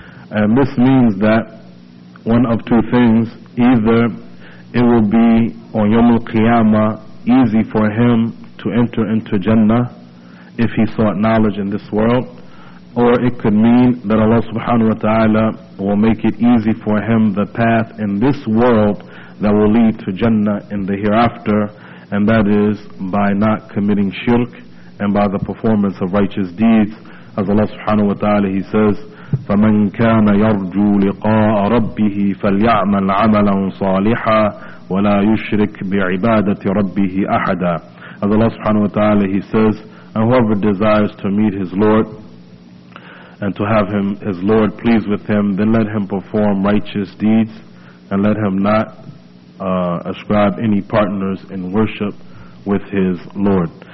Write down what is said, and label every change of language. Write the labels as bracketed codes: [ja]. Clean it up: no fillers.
[en] And this means that one of two things: either it will be on Yawm al-Qiyamah easy for him to enter into Jannah if he sought knowledge in this world, or it could mean that Allah subhanahu wa ta'ala will make it easy for him the path in this world that will lead to Jannah in the hereafter, and that is by not committing shirk and by the performance of righteous deeds. As Allah subhanahu wa ta'ala, he says, [ar] فَمَنْ كَانَ يَرْجُو لِقَاءَ رَبِّهِ فَلْيَعْمَلْ عَمَلًا صَالِحًا وَلَا يُشْرِكْ بِعِبَادَةِ رَبِّهِ أَحَدًا. [en] As Allah subhanahu wa ta'ala, he says, and whoever desires to meet his Lord and to have him, his Lord pleased with him, then let him perform righteous deeds, and let him not ascribe any partners in worship with his Lord.